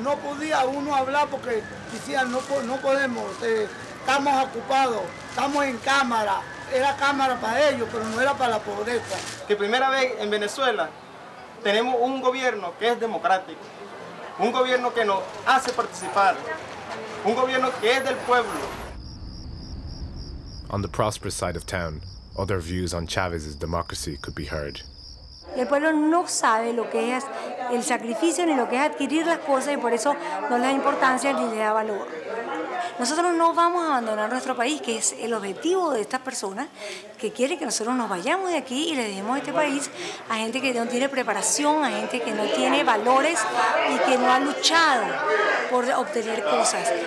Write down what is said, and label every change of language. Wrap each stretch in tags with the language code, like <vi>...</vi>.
<es>No podía uno hablar porque decían, no podemos, estamos ocupados, estamos en cámara. Era cámara para ellos, pero no era para la pobreza. Que primera vez en Venezuela tenemos un gobierno que es democrático, un gobierno que nos hace participar, un gobierno que es del pueblo.</es> <en>On the prosperous side of town, other views on Chavez's democracy could be heard.</en> <es>El pueblo no sabe lo que es el sacrificio ni lo que es adquirir las cosas y por eso no le da importancia ni le da valor. Nosotros no vamos a abandonar nuestro país, que es el objetivo de estas personas, que quiere que nosotros nos vayamos de aquí y le demos este país a gente que no tiene preparación, a gente que no tiene valores y que no ha luchado por obtener cosas.</es>